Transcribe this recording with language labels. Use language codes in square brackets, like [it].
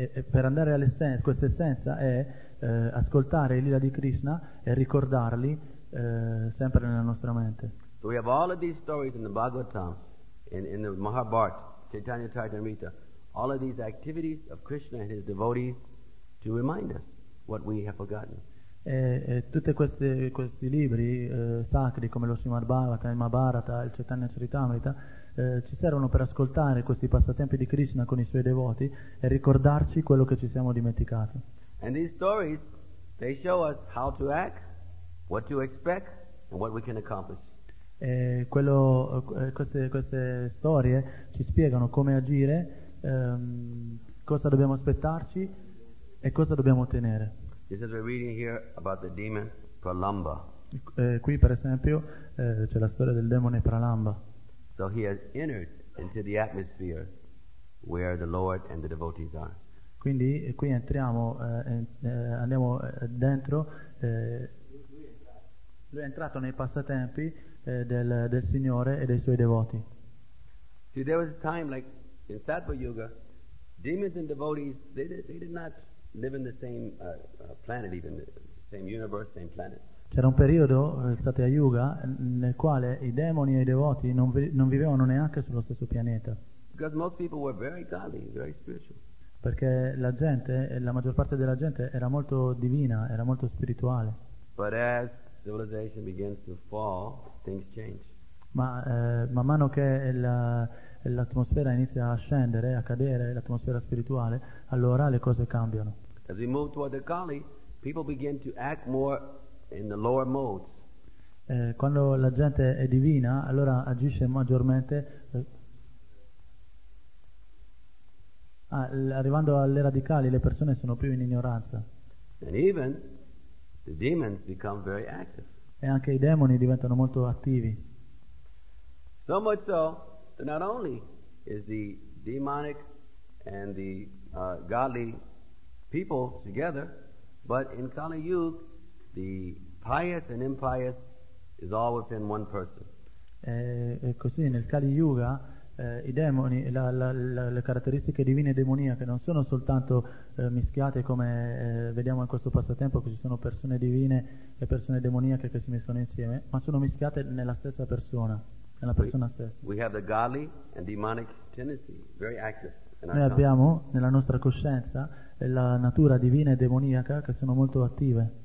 [it] Per andare all'essenza, questa essenza è ascoltare i lila di Krishna e ricordarli sempre nella nostra mente. [en] So we have all of these stories in the Bhagavatam, in the Mahabharata, Chaitanya Charitamrita, all of these activities of Krishna and his devotees to remind us what we have forgotten. [it] Tutte questi libri sacri come lo Srimad Bhagavatam, il Mahabharata, il Chaitanya Charitamrita ci servono per ascoltare questi passatempi di Krishna con i suoi devoti e ricordarci quello che ci siamo dimenticati. [en] And these stories, they show us how to act, what to expect, and what we can accomplish. [it] E queste storie ci spiegano come agire, cosa dobbiamo aspettarci e cosa dobbiamo ottenere. [en] This is we're reading here about the demon Pralamba. [it] Qui per esempio c'è la storia del demone Pralamba. [en] So he has entered into the atmosphere where the Lord and the devotees are. [it] Quindi qui entriamo andiamo dentro lui è entrato nei passatempi del Signore e dei suoi devoti. [en] See, there was a time like in Sattva Yuga, demons and devotees they did not live in the same planet, even the same universe, same planet. [it] C'era un periodo, il Satya Yuga, nel quale i demoni e i devoti non vivevano neanche sullo stesso pianeta. [en] Because most people were very godly, very spiritual. [it] Perché la gente, la maggior parte della gente era molto divina, era molto spirituale. [en] But as civilization begins to fall, things change. [it] Ma man mano che l'atmosfera inizia a scendere, a cadere, l'atmosfera spirituale, allora le cose cambiano. [en] As we move toward the Kali, people begin to act more in the lower modes. [it] Quando la gente è divina, allora agisce maggiormente. Arrivando all'era di Kali, le persone sono più in ignoranza. [en] And even the demons become very active. [it] E anche i demoni diventano molto attivi. [en] So much so that not only is the demonic and the godly people together, but in Kali Yuga, the pious and impious is all within one person. [it] E così nel Kali Yuga i demoni, le caratteristiche divine e demoniache non sono soltanto mischiate come vediamo in questo passatempo, che ci sono persone divine e persone demoniache che si mescono insieme, ma sono mischiate nella stessa persona, nella persona stessa. [en] We have the godly and demonic tendency, very active. [it] Noi abbiamo nella nostra coscienza la natura divina e demoniaca che sono molto attive.